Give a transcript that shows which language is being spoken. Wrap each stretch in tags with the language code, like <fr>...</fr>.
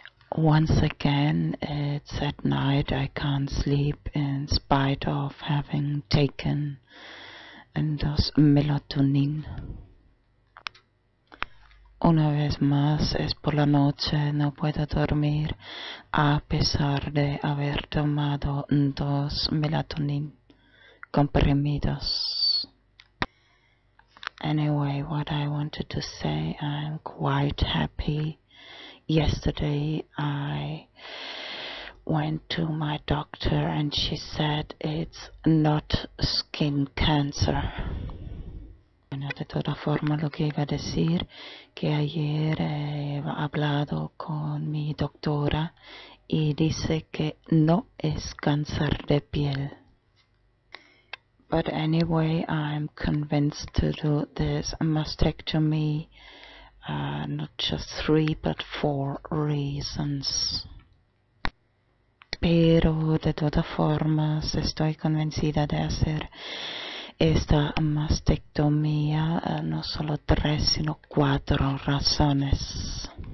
<en>Once again, it's at night. I can't sleep in spite of having taken endos melatonin.</en> <es>Una vez más, es por la noche. No puedo dormir a pesar de haber tomado dos melatonin comprimidos.</es> <en>Anyway, what I wanted to say, I'm quite happy. Yesterday I went to my doctor and she said it's not skin cancer.</en> <es>Bueno, de toda forma, lo que iba a decir, que ayer he hablado con mi doctora y dice que no es cáncer de piel.</es> <en>But anyway, I'm convinced to do this mastectomy, not just 3 but 4 reasons.</en> <es>pero de todas formas estoy convencida de hacer esta mastectomía no solo tres sino cuatro razones.</es>